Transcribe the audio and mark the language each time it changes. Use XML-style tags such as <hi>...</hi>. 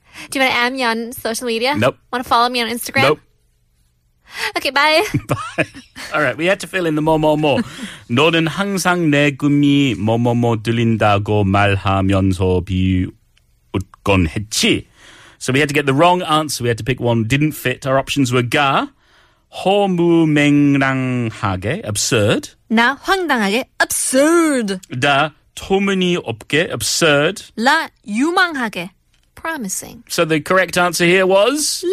<en>Do you want to add me on social media? Nope. Want to follow me on Instagram? Nope. Okay, bye. Bye. All right, we had to fill in the more.</en> <ko>너는 항상 내 꿈이 뭐뭐뭐 들린다고 말하면서 비웃곤 했지.</ko> <en>So we had to get the wrong answer. We had to pick one that didn't fit. Our options were</en> <ko>ga, 허무맹랑하게,</ko> <en>absurd.</en> <ko>나 황당하게,</ko> <en>absurd.</en> <ko>다 터무니없게,</ko> <en>absurd.</en> <ko>라 유망하게,</ko> <en>promising. So the correct answer here was?</en>